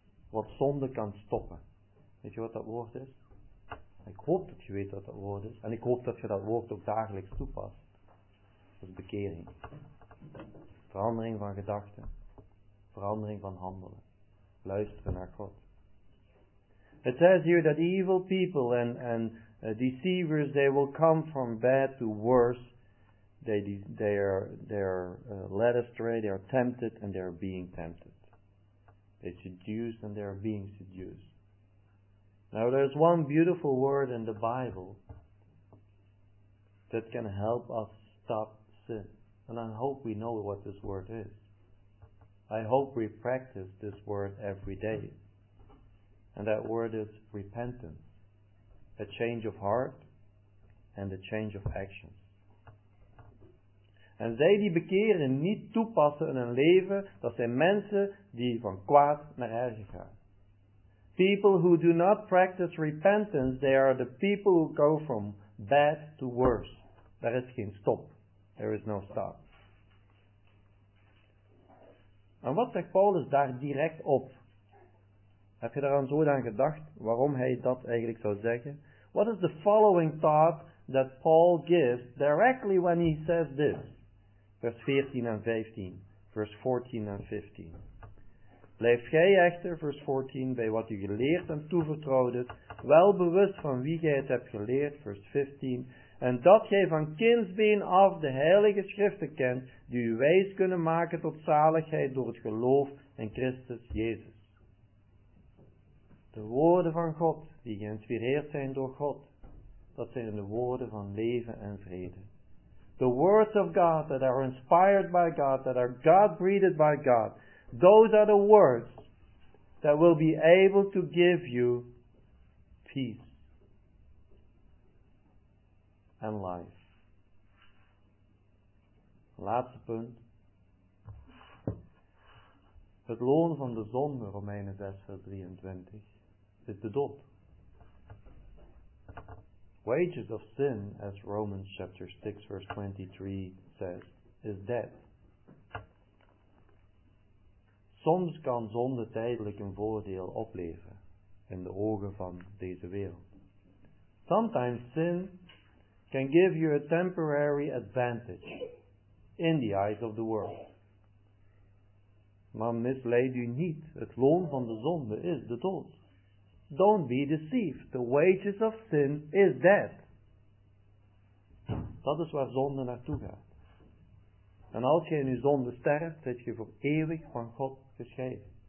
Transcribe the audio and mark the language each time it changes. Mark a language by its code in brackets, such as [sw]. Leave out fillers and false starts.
[nl] Wat zonde kan stoppen. Weet je wat dat woord is? Ik hoop dat je weet wat dat woord is. En ik hoop dat je dat woord ook dagelijks toepast. Dat is bekering. Verandering van gedachten. Verandering van handelen. Luisteren naar God. [en] It says here that evil people and deceivers, they will come from bad to worse. They are led astray, they are tempted and they are being tempted. They seduce and they are being seduced. Now there is one beautiful word in the Bible that can help us stop sin. And I hope we know what this word is. I hope we practice this word every day. And that word is repentance. A change of heart and a change of actions. [nl] En zij die bekeren niet toepassen in hun leven, dat zijn mensen die van kwaad naar erger gaan. [en] People who do not practice repentance, they are the people who go from bad to worse. [nl] Daar is geen stop. [en] There is no stop. [nl] En wat zegt Paulus daar direct op? Heb je daaraan zo aan gedacht waarom hij dat eigenlijk zou zeggen? [en] What is the following thought that Paul gives directly when he says this? [nl] Vers 14 en 15. Vers 14 en 15. Blijf gij echter, vers 14, bij wat u geleerd en toevertrouwd is, wel bewust van wie gij het hebt geleerd, vers 15, en dat gij van kindsbeen af de heilige schriften kent, die u wijs kunnen maken tot zaligheid door het geloof in Christus Jezus. De woorden van God, die geïnspireerd zijn door God, dat zijn de woorden van leven en vrede. [en] The words of God that are inspired by God, that are God-breathed by God, those are the words that will be able to give you peace and life. [nl] Laatste punt. Het loon van de zonde, Romeinen 6, vers 23, is de dood. [en] Wages of sin, as Romans chapter 6 verse 23 says, is death. [nl] Soms kan zonde tijdelijk een voordeel opleveren in de ogen van deze wereld. [en] Sometimes sin can give you a temporary advantage in the eyes of the world. [nl] Maar misleid u niet, het loon van de zonde is de dood. [en] Don't be deceived. The wages of sin is death. [nl] Dat is waar zonde naartoe gaat. En als je in je zonde sterft, zit je voor eeuwig van God gescheiden.